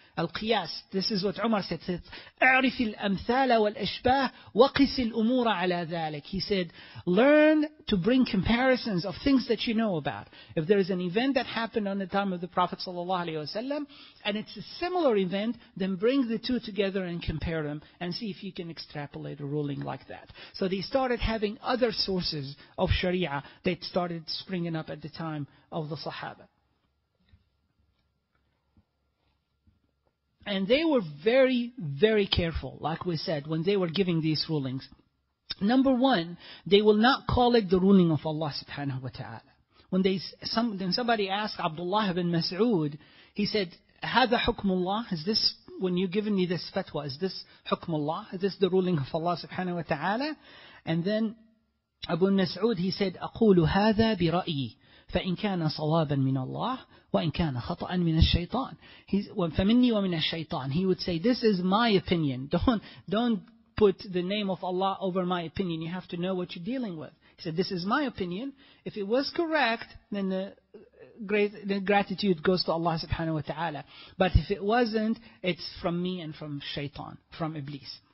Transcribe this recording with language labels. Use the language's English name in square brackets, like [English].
[English] Al-qiyas, this is what Umar said. [Arabic] اعرف الأمثال والأشباه وقس الأمور على ذلك. [English] He said, learn to bring comparisons of things that you know about. If there is an event that happened on the time of the Prophet sallallahu alaihi wasallam, and it's a similar event, then bring the two together and compare them and see if you can extrapolate a ruling like that. So they started having other sources of Sharia that started springing up at the time of the Sahaba. And they were very, very careful, like we said, when they were giving these rulings. Number one, they will not call it the ruling of Allah subhanahu wa ta'ala. When somebody asked Abdullah ibn Mas'ud, he said, [Arabic] هَذَا حُكْمُ اللَّهِ [English] Is this, when you've given me this fatwa, is this [Arabic] حُكْمُ اللَّهِ [English] Is this the ruling of Allah subhanahu wa ta'ala? [Arabic] And then Abu Mas'ud, he said, أَقُولُ هَذَا بِرَأْيِي فَإِنْ كَانَ صَوَابًا مِنَ اللَّهِ وَإِنْ كَانَ خَطَأً مِنَ الشَّيْطَانِ فَمِنِّي وَمِنَ الشَّيْطَانِ [English] He would say, this is my opinion. Don't put the name of Allah over my opinion. You have to know what you're dealing with. He said, this is my opinion. If it was correct, then the gratitude goes to Allah subhanahu wa ta'ala. But if it wasn't, it's from me and from shaitan, from Iblis.